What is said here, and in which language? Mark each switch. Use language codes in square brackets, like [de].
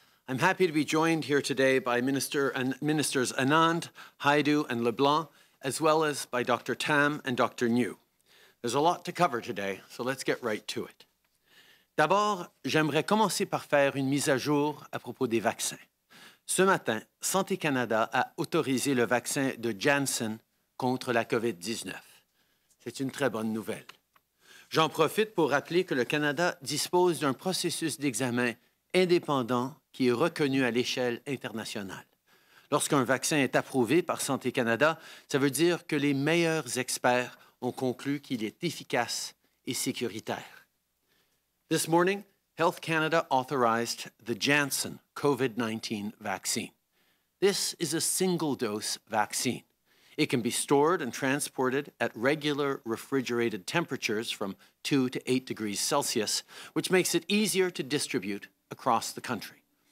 [en] I'm happy to be joined here today by Ministers Anand, Haidu and LeBlanc, as well as by Dr. Tam and Dr. Niu. There's a lot to cover today, so let's get right to it. [fr] D'abord, j'aimerais commencer par faire une mise à jour à propos des vaccins. Ce matin, Santé Canada a autorisé le vaccin de Janssen contre la COVID-19. C'est une très bonne nouvelle. J'en profite pour rappeler que le Canada dispose d'un processus d'examen indépendant qui est reconnu à l'échelle internationale. Lorsqu'un vaccin est approuvé par Santé Canada, ça veut dire que les meilleurs experts ont conclu qu'il est efficace et sécuritaire. [en] This morning, Health Canada authorized the Janssen COVID-19 vaccine. This is a single-dose vaccine. It can be stored and transported at regular refrigerated temperatures from 2 to 8 degrees Celsius, which makes it easier to distribute across the country.